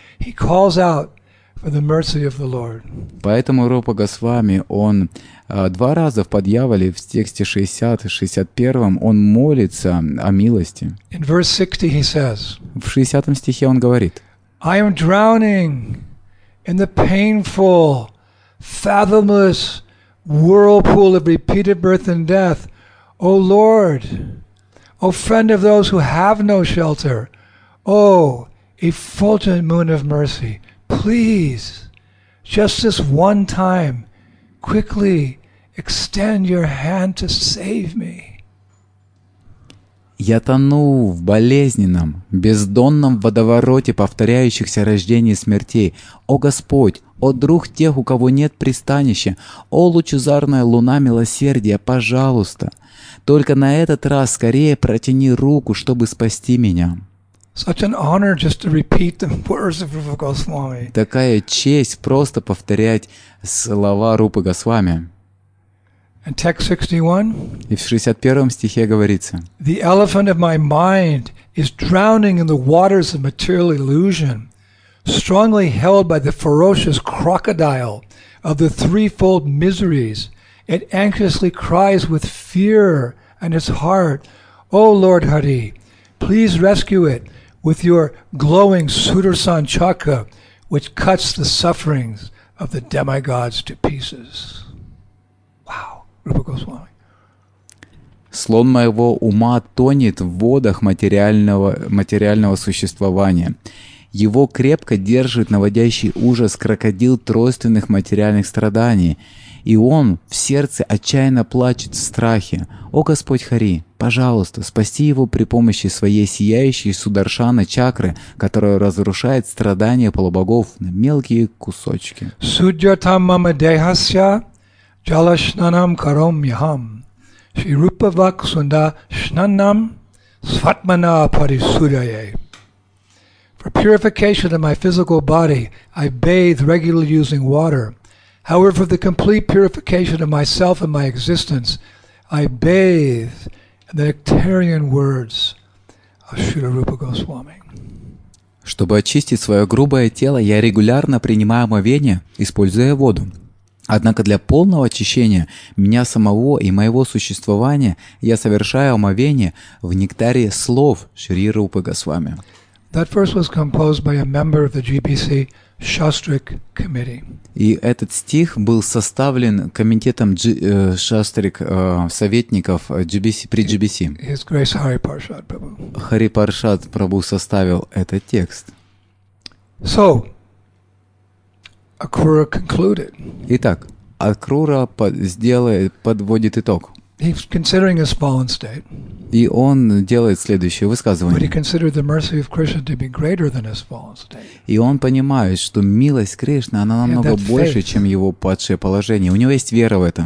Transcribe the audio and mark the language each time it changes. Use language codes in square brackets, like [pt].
[en] He calls out for the mercy of the Lord. [ru] Поэтому Рупа Госвами, он два раза в Падьявале, в тексте 60 и 61, он молится о милости. [en] In verse 60 he says, [ru] в 60 стихе он говорит, [en] I am drowning in the painful, fathomless whirlpool of repeated birth and death. O Lord, O friend of those who have no shelter, O effulgent moon of mercy, please, just this one time, quickly extend your hand to save me. [ru] Я тону в болезненном, бездонном водовороте повторяющихся рождений и смертей. О Господь, о друг тех, у кого нет пристанища, о лучезарная луна милосердия, пожалуйста, только на этот раз скорее протяни руку, чтобы спасти меня. [en] Such an honor just to repeat the words of Rupa Goswami. [ru] Такая честь просто повторять слова Рупы Госвами. [en] And text 61. [ru] И в 61 стихе говорится. [en] The elephant of my mind is drowning in the waters of material illusion, strongly held by the ferocious crocodile of the threefold miseries. It anxiously cries with fear in its heart, O Lord Hari, please rescue it with your glowing Sudarsan chakra, which cuts the sufferings of the demigods to pieces. Wow, Rupa Goswami. [ru] Слон моего ума тонет в водах материального существования. Его крепко держит наводящий ужас крокодил тройственных материальных страданий, и он в сердце отчаянно плачет в страхе. О Господь Хари, пожалуйста, спасти его при помощи своей сияющей сударшаны чакры, которая разрушает страдания полубогов на мелкие кусочки. [sa] Судьотам мама дехасья, джалашнанам каромьяхам, шрирупавак сунда шнанам сватмана парисудяе. [en] For purification of my physical body, I bathe regularly using water. However, for the complete purification of myself and my existence, I bathe in the nectarian words of Śrīla Rūpa Gosvāmī. [ru] Чтобы очистить свое грубое тело, я регулярно принимаю омовение, используя воду. Однако для полного очищения меня самого и моего существования я совершаю омовение в нектаре слов Шри Рупы Госвами. [en] That verse was composed by a member of the GBC Shastric Committee. [ru] И этот стих был составлен комитетом Shastric советников при GBC. [en] His Grace Hari Parshad Prabhu. [ru] Hari Parshad Prabhu составил этот текст. [en] So, Akrura concluded. [ru] Итак, Акрура подводит итог. [en] He's considering his fallen state. [ru] И он делает следующее высказывание. [en] But he considered the mercy of Krishna to be greater than his fallen state. [ru] И он понимает, что милость Кришны, она намного больше, чем его падшее положение. У него есть вера в это.